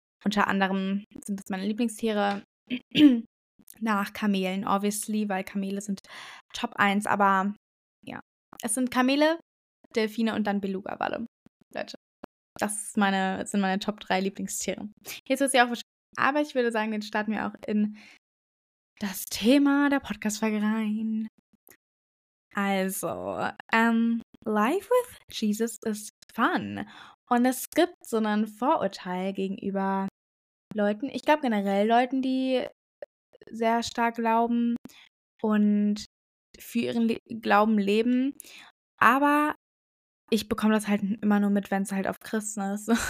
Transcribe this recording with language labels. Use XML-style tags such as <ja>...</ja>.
<de>Unter anderem sind das meine Lieblingstiere. Nach Kamelen, obviously, weil Kamele sind Top 1. Aber ja, es sind Kamele, Delfine und dann Beluga-Walle. Leute, das sind meine Top 3 Lieblingstiere. Jetzt wird es ja auch wahrscheinlich. Aber ich würde sagen, den starten wir auch in das Thema der Podcast-Folge rein. Also,</de> <en>Life with Jesus is fun.</en> <de>Und es gibt so ein Vorurteil gegenüber Leuten. Ich glaube generell Leuten, die sehr stark glauben und für ihren Glauben leben. Aber ich bekomme das halt immer nur mit, wenn es halt auf Christen ist.</de>